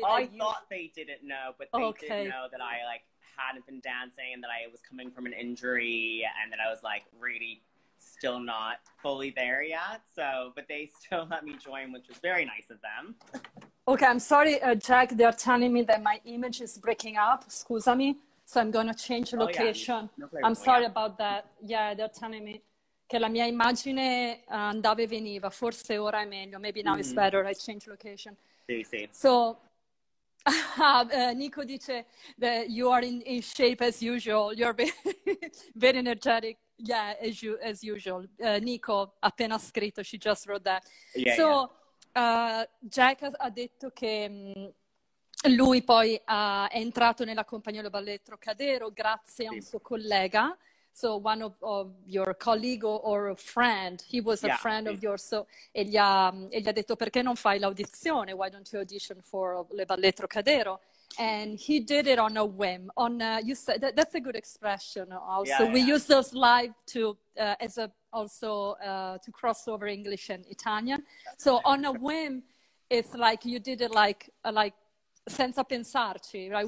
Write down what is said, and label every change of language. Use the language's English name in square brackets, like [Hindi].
[English] Thought they didn't know, but they didn't know that I like hadn't been dancing and that I was coming from an injury and that I was like really still not fully there yet. So, but they still let me join, which was very nice of them. Okay, I'm sorry, Jack. They're telling me that my image is breaking up. [Italian] Scusami. [English] So I'm going to change location. Oh, yeah. No, I'm sorry about that. Yeah, they're telling me [Italian] che la mia immagine andava e veniva. Forse ora è meglio. [English] Maybe now it's better. I change location. [Italian] Sì. [English] So Nico [Italian] dice [English] that you are in shape as usual. You're very energetic. Yeah, as usual. Nico [Italian] appena scritto. [English] She just wrote that. [Italian] Jack ha detto che lui poi è entrato nella compagnia del balletto Trocadero grazie a un suo collega. [English] So one of your colleague or a friend, he was a friend of yours. [Italian] So e gli ha detto perché non fai l'audizione? [English] Why don't you audition for Les Ballets Trocadero? And he did it on a whim. On you said that's a good expression. Also, we use those live to as a also to cross over English and Italian. So on a whim. it's like you did it like [Italian] senza pensarci, [English] right?